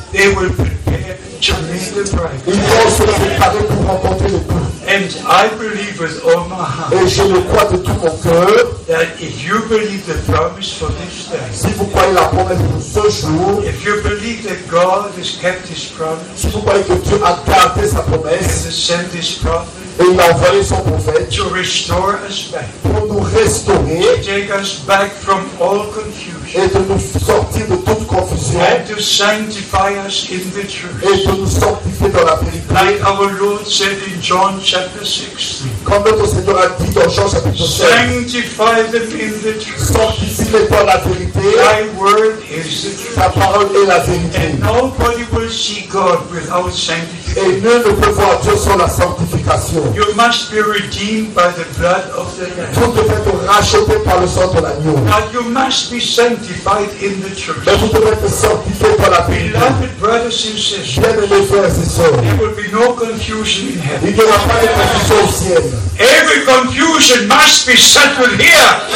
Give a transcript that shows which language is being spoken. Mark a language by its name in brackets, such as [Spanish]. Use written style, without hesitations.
[English] They will prepare to meet the bride. [French] Ils vont se préparer pour rencontrer le. [English] And I believe with all my heart. [French] Et je le crois de tout mon cœur. [English] That if you believe the promise for this day. [French] Si vous croyez la promesse pour ce jour. [English] If you believe that God has kept His promise. [French] Si vous croyez que Dieu a gardé sa promesse. [English] And has sent His prophet. [French] Et il a envoyé son prophète. [English] To restore us back. [French] Pour nous restaurer. [English] To take us back from all confusion. [French] Et de nous sortir de toute confusion. [English] And to sanctify us in the truth. [French] Et de nous sanctifier dans la vérité. [English] Like our Lord said in John chapter 16. [French] Comme notre Seigneur a dit dans Jean chapitre 16. [English] Sanctify them in the truth. [French] Sanctifie-les dans la vérité. [English] Thy word is the truth. [French] Ta parole est la vérité. [English] And nobody will see God without sanctification. [French] Et nul ne peut voir Dieu sans la sanctification. [English] You must be redeemed by the blood of the Lamb. [French] Vous devez être racheté par le sang de l'agneau. [English] Now you must be sanctified in the church. [French] Mais vous devez être sanctifié par la vérité. [English] Beloved brothers and sisters. [French] Bien-aimés frères et sœurs. [English] There will be no confusion in heaven. [French] Il n'y aura pas de confusion au ciel. [English] Every confusion must be settled here.